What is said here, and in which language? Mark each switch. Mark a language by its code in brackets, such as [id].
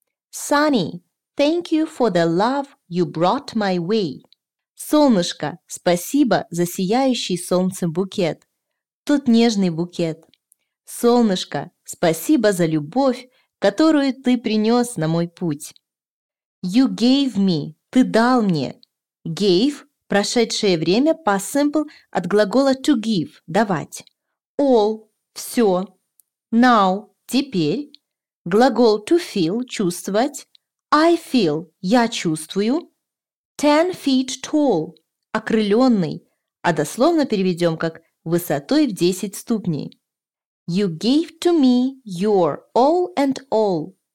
[en] Sunny – thank you for the love you brought my way. [ru] Солнышко – спасибо за сияющий солнцем букет. Тот нежный букет. Солнышко, спасибо за любовь, которую ты принес на мой путь. [en] You gave me, [ru] ты дал мне. Gave – прошедшее время, [en] past simple [ru] от глагола [en] to give [ru] – давать. All – все. Now – теперь. Глагол [en] to feel [ru] – чувствовать. [en] I feel [ru] – я чувствую. [en] 10 feet tall [ru] – окрыленный. А дословно переведем как высотой в 10 ступней. [en] You gave to me your all and all.